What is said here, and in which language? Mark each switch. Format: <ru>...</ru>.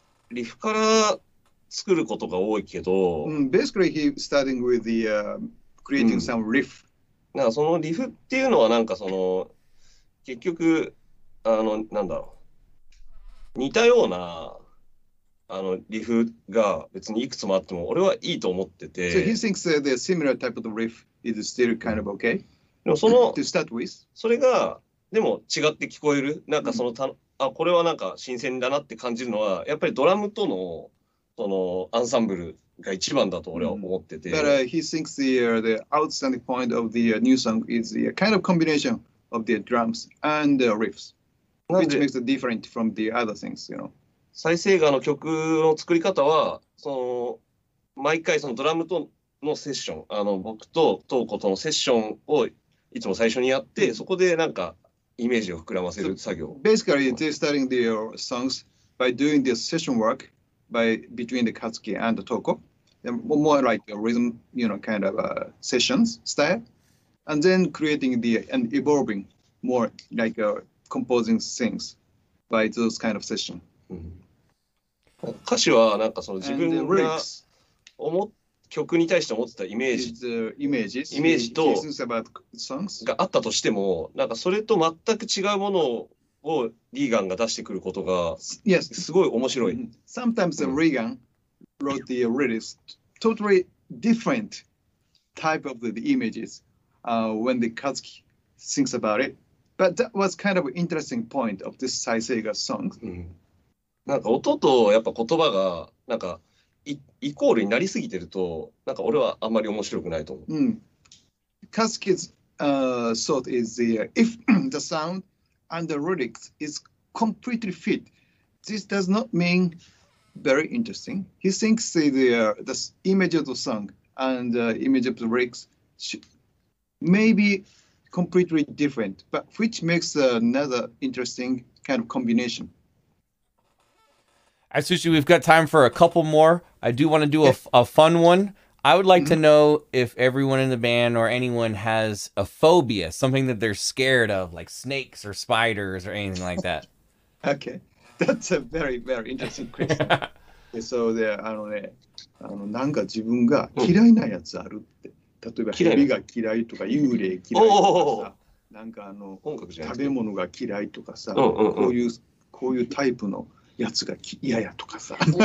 <ja>リフから作ることが多いけど。</ja> <en>Basically, he's starting with the creating some riff.</en> <ja>なんかそのリフっていうのはなんかその、結局あのなんだろう、似たようなあのリフが別にいくつもあっても俺はいいと思ってて。</ja> <en>So he thinks that the similar type of riff is still kind of okay.</en> <ja>でもその</ja> <en>to start with.</en> <ja>それがでも違って聞こえる、なんかそのあこれはなんか新鮮だなって感じるのはやっぱりドラムとのそのアンサンブルが一番だと俺は思ってて。</ja> <en>But he thinks the outstanding point of the new song is the kind of combinationof the drums and the riffs, which makes it different from the other things, you know.</en> <ja>Saiseiga の曲の作り方は、その毎回そのドラムとのセッション、あの僕とトーコとのセッションをいつも最初にやって、そこでなんかイメージを膨らませる作業。</ja> <en>So, basically, they starting their songs by doing this session work by between the Katsuki and the Toko, more like a rhythm, you know, kind of a sessions style. And then creating and evolving more like composing things by those kind of session.</en> <ja>歌詞はなんかその自分が曲に対して思ってたイメージ、イメージとがあったとしても、なんかそれと全く違うものをリーガンが出してくることがすごい面白い。</ja> <en>Sometimes Reagan wrote the lyrics totally different type of the images. When the Katsuki thinks about it. But that was kind of an interesting point of this Saiseiga song.、</en> <ja>なんか音とやっぱ言葉がなんかイコールになりすぎてると、なんか俺はあんまり面白くないと思う。</ja> <en>Katsuki's thought is if the sound and the lyrics is completely fit, this does not mean very interesting. He thinks the image of the song and the image of the lyrics maybe completely different, but which makes another interesting kind of combination. Atsushi, we've got time for a couple more. I do want to do a fun one. I would like to know if everyone in the band or anyone has a phobia, something that they're scared of, like snakes or spiders or anything like that. Okay, that's a very, very interesting question. So there, I don't know.</en> <ja>あのなんか自分が嫌いなやつあるって、うん、例えば蛇が嫌いとか幽霊嫌いとかさ、なんかあの食べ物が嫌いとかさ、こういうこういうタイプのやつが嫌やとかさ、</ja>